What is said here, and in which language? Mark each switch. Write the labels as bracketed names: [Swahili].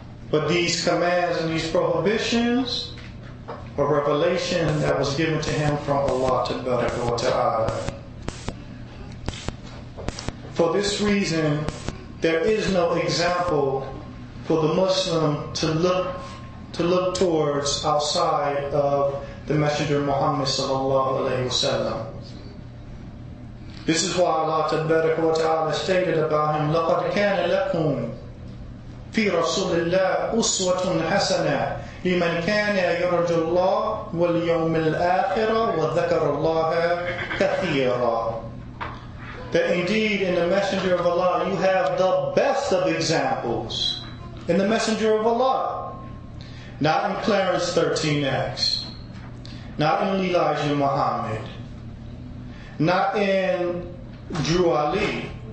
[English] But these commands and these prohibitions, a revelation that was given to him from Allah tabaraka wa ta'ala. For this reason, there is no example for the Muslim to look towards outside of the Messenger Muhammad sallallahu alaihi wasallam. This is why Allah tabaraka wa ta'ala stated about him, [Arabic] لَقَدْ كَانَ لَكُمْ فِي رَسُولِ اللَّهِ أُسْوَةٌ حَسَنَةٌ لِمَنْ كَانَ يَرْجُ اللَّهِ وَالْيَوْمِ الْآخِرَةِ وَذَكَرَ اللَّهَ كَثِيرًا. [English] That indeed in the Messenger of Allah you have the best of examples. In the Messenger of Allah. Not in Clarence 13X. Not in Elijah Muhammad. Not in Drew Ali.